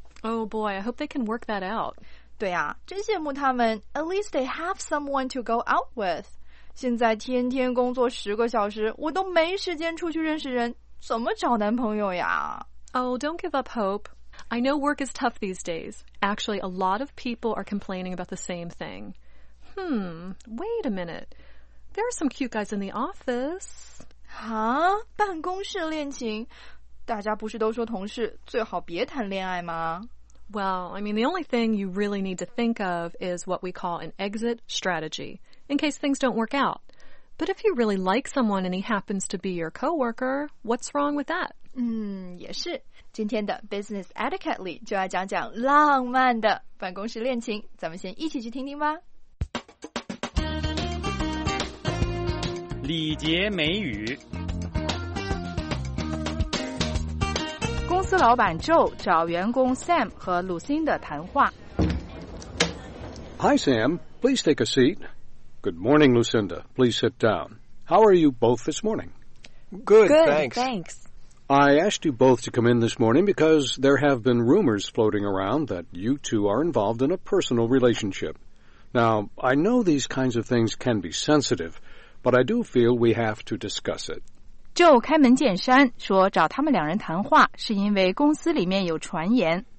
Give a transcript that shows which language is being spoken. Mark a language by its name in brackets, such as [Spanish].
[English] Oh boy, I hope they can work that out. [Chinese] 对啊，真羡慕他们， [English] at least they have someone to go out with. [Chinese] 现在天天工作十个小时，我都没时间出去认识人，怎么找男朋友呀？ [English] Oh, don't give up hope. I know work is tough these days. Actually, a lot of people are complaining about the same thing. Wait a minute. There are some cute guys in the office. [Chinese] Huh? 办公室恋情？大家不是都说同事最好别谈恋爱吗？ [English] Well, I mean, the only thing you really need to think of is what we call an exit strategy, in case things don't work out. But if you really like someone and he happens to be your coworker, what's wrong with that? [Chinese] 也是。今天的 Business Etiquette 里就要讲讲浪漫的办公室恋情，咱们先一起去听听吧。礼节美语。公司老板 Joe 找员工 Sam 和 Lucinda 谈话。 [English] Hi Sam, please take a seat. Good morning, Lucinda. Please sit down. How are you both this morning? Good, thanks. I asked you both to come in this morning because there have been rumors floating around that you two are involved in a personal relationship. Now, I know these kinds of things can be sensitive,But I do feel we have to discuss it. [Chinese] Joe 开门见山说找他们两人谈话是因为公司里面有传言。